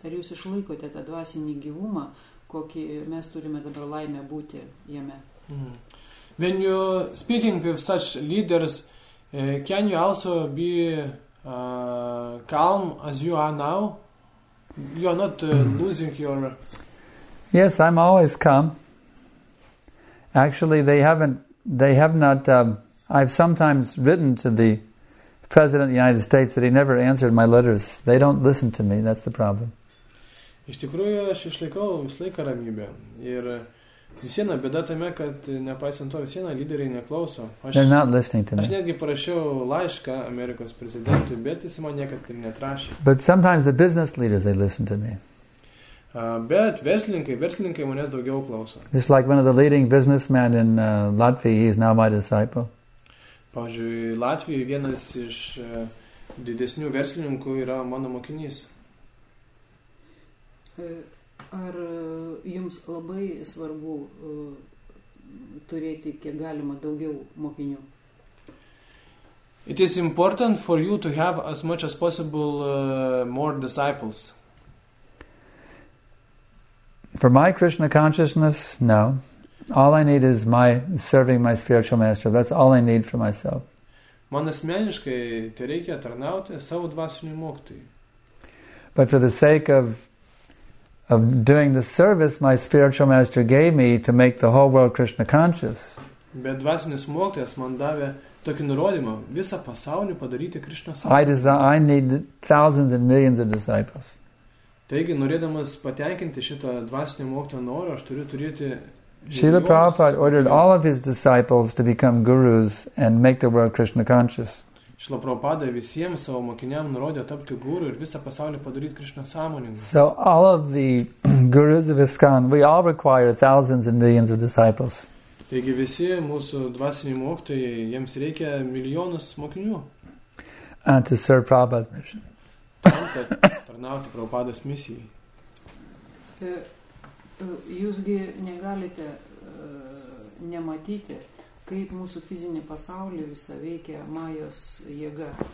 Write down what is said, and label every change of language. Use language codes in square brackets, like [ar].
[lt] Ar jūs išlaikote tą dvasinį gyvumą, kokį mes turime dabar laimę būti jame? Mm. [en] When you speaking with such leaders, can you also be calm as you are now? You are not losing your... Yes, I'm always calm. Actually, I've sometimes written to the President of the United States, that he never answered my letters. They don't listen to me. That's the problem. [lt] Iš tikrųjų, aš išlaikau visą laiką ramybę. Ir visieną bėda tame, kad nepaisant to visieną lyderiai neklauso. [en] They're not listening to me. [lt] Aš netgi parašiau laišką Amerikos prezidentui, bet jis man niekad ir netrašė. [en] But sometimes the business leaders, they listen to me. [lt] Bet verslininkai manęs daugiau klauso. [en] Just like one of the leading businessmen in Latvia, he's now my disciple. [lt] Pavyzdžiui, Latvijoje vienas iš didesnių verslininkų yra mano mokinys. Ar jums labai svarbu turėti kiek galima daugiau mokinių? [en] It is important for you to have as much as possible more disciples. For my Krishna consciousness, no. All I need is my serving my spiritual master. That's all I need for myself. [lt] Man asmeniškai tai reikia tarnauti savo dvasiniui mokytojui. [en] But for the sake of doing the service my spiritual master gave me to make the whole world Krishna conscious. [lt] Bet dvasinis mokytojas man davė tokį nurodymą visą pasaulį padaryti Krishna sąmoningą. [en] I need thousands and millions of disciples. [lt] Taigi, norėdamas patenkinti šitą dvasinio mokytojo norą, aš turiu turėti [en] Srila Prabhupada ordered all of his disciples to become gurus and make the world Krishna conscious. [lt] Srila Prabhupada visiems savo mokiniam nurodė tapti guru ir visą pasaulį padaryti Krishna sąmoningą. [en] So all of the gurus of ISKCON, we all require thousands and millions of disciples. [lt] Taigi visi mūsų dvasiniai mokytojai, jiems reikia milijonus mokinių. [en] And to serve Prabhupada's mission. [lt] Tam, kad tarnauti Prabhupados misijai. Jūsgi negalite nematyti, kaip mūsų fizinį pasaulį visą veikia majos jėga.